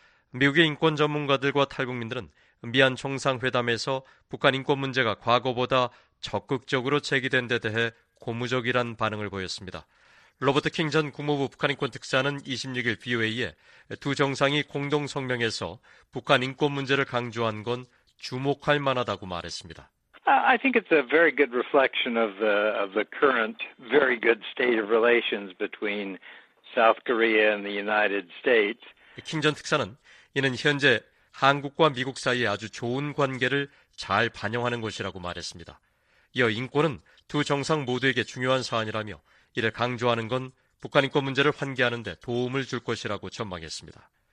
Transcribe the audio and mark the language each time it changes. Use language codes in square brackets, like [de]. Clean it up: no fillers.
[ko] 미국의 인권 전문가들과 탈북민들은 미한 정상회담에서 북한 인권 문제가 과거보다 적극적으로 제기된 데 대해 고무적이란 반응을 보였습니다. 로버트 킹 전 국무부 북한 인권 특사는 26일 BOA에 두 정상이 공동 성명에서 북한 인권 문제를 강조한 건 주목할 만하다고 말했습니다. [en] I think it's a very good reflection of the current very good state of relations between South Korea and the United States. [ko] 킹 전 특사는 이는 현재 한국과 미국 사이의 아주 좋은 관계를 잘 반영하는 것이라고 말했습니다. 이어 인권은 두 정상 모두에게 중요한 사안이라며 이를 강조하는 건 북한 인권 문제를 환기하는 데 도움을 줄 것이라고 전망했습니다.